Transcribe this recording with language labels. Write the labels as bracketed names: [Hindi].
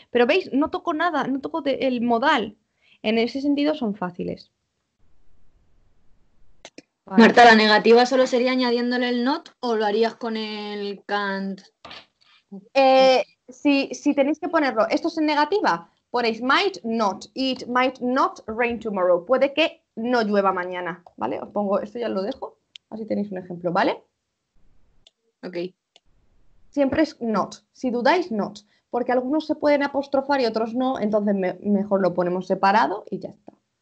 [Spanish] Pero veis, no toco nada, no toco el modal. En ese sentido son fáciles. Vale. Marta, ¿la negativa solo sería añadiéndole el not o lo harías con el can't? Si tenéis que ponerlo, esto es en negativa, Ponéis [English] might not, it might not rain tomorrow. [Spanish] Puede que no llueva mañana, ¿vale? Os pongo, esto ya lo dejo, así tenéis un ejemplo, ¿vale? Ok. Siempre es not, si dudáis, not. Porque algunos se pueden apostrofar y otros no, entonces mejor lo ponemos separado y ya está.